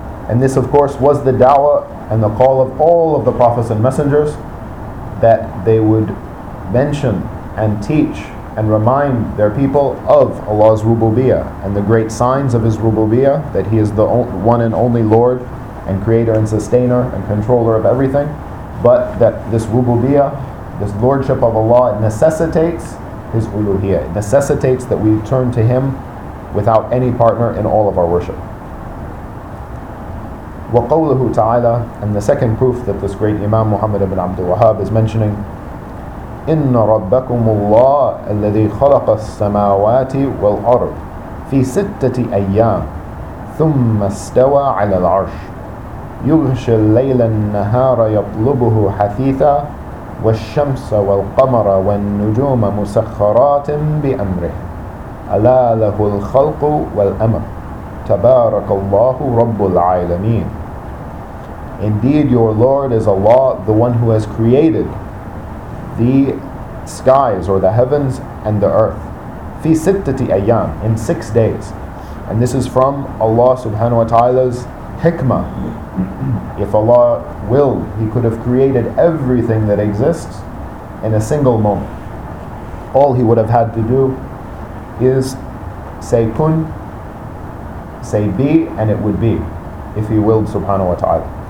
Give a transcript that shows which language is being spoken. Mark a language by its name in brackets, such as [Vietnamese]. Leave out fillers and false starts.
[English] And this, of course, was the da'wah and the call of all of the prophets and messengers, that they would mention and teach and remind their people of Allah's rububiyyah and the great signs of his rububiyyah, that he is the one and only Lord and creator and sustainer and controller of everything, but that this rububiyyah, this lordship of Allah, necessitates his uluhiyyah. It necessitates that we turn to him without any partner in all of our worship. وَقَوْلُهُ تَعَالَى. And the second proof that this great Imam Muhammad ibn Abdul Wahhab is mentioning, [Arabic] إِنَّ رَبَّكُمُ اللَّهِ الَّذِي خَلَقَ السَّمَاوَاتِ وَالْأَرْضِ فِي سِتَّةِ أَيَّامِ ثُمَّ اسْتَوَى عَلَى الْعَرْشِ يُغْشِ اللَّيْلَ النَّهَارَ يَطْلُبُهُ حَثِيثًا وَالشَّمْسَ وَالْقَمَرَ وَالنُّجُومَ مُسَخَّرَاتٍ بِأَمْرِهِ أَلَا لَهُ الْخَلْقُ وَالْأَمَرُ تَبَارَكَ اللَّهُ رَبُّ الْعَالَمِينَ. [English] Indeed, your Lord is Allah, the one who has created the skies or the heavens and the earth. [Arabic] فِي سِتَّةِ أَيَّامٍ, [English] in 6 days. And this is from Allah subhanahu wa ta'ala's hikmah. If Allah willed, he could have created everything that exists in a single moment. All he would have had to do is say kun, say be, and it would be, if he willed, subhanahu wa ta'ala.